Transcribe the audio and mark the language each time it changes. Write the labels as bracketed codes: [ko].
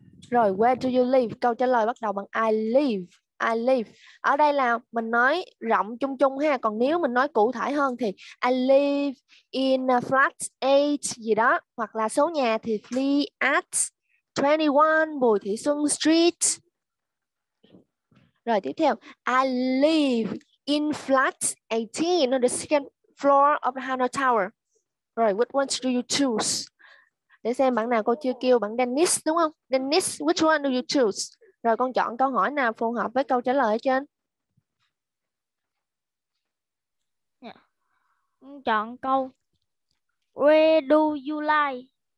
[en] Rồi, where do you live? [vi] Câu trả lời bắt đầu bằng [en] I live. I live. [vi] Ở đây là mình nói rộng chung chung ha, còn nếu mình nói cụ thể hơn thì [en] I live in a flat 8 [vi] gì đó, hoặc là số nhà thì flee at 21 Bùi Thị Xuân Street. Rồi tiếp theo, [en] I live in flat 18 on the second floor of the Hanoi Tower. Rồi, which one do you choose? [vi] Để xem bạn nào cô chưa kêu, bạn Dennis đúng không? Dennis, [en] which one do you choose? [vi] Rồi con chọn câu hỏi nào phù hợp với câu trả lời ở trên? Yeah. Chọn câu [en] where do you live?